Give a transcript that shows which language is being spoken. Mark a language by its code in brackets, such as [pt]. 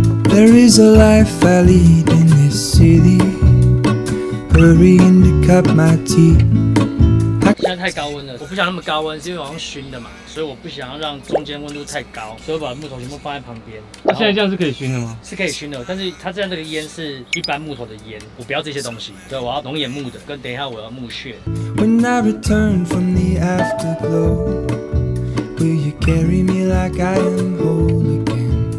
[en] There is a life I lead in this city.Hurry and cut my teeth. [zh] 真的太高温了，我不想那么高温，是因为我要熏的嘛，所以我不想要让中间温度太高，所以我把木头全部放在旁边。那现在这样是可以熏的吗？是可以熏的，但是它这样这个烟是一般木头的烟，我不要这些东西，对，我要浓眼木的，跟等一下我要木屑。 [en] When I return from the afterglow, will you carry me like I am whole again?